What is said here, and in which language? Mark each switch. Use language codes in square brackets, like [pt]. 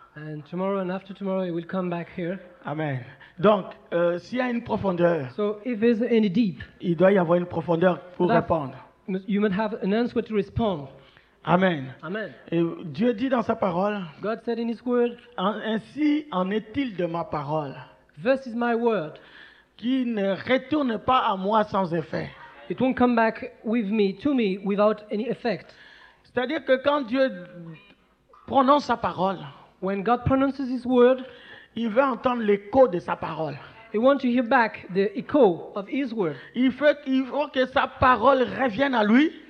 [en] And tomorrow and after tomorrow, he will come back here. Amen. [fr] Donc, s'il y a une profondeur, [en] so if there's any deep, [fr] il doit y avoir une profondeur pour répondre. [en] You must have an answer to respond. Amen. Amen. [fr] Et Dieu dit dans sa parole. [en] God said in his word. [fr] Ainsi en est-il de ma parole. [en] This is my word. [fr] Qui ne retourne pas à moi sans effet. [en] It won't come back with me to me without any effect. [fr] C'est-à-dire que quand Dieu prononce sa parole, [en] when God pronounces his word, [fr] il veut entendre l'écho de sa parole. [en] He wants to hear back the echo of his word. [fr] Il faut que sa parole revienne à lui.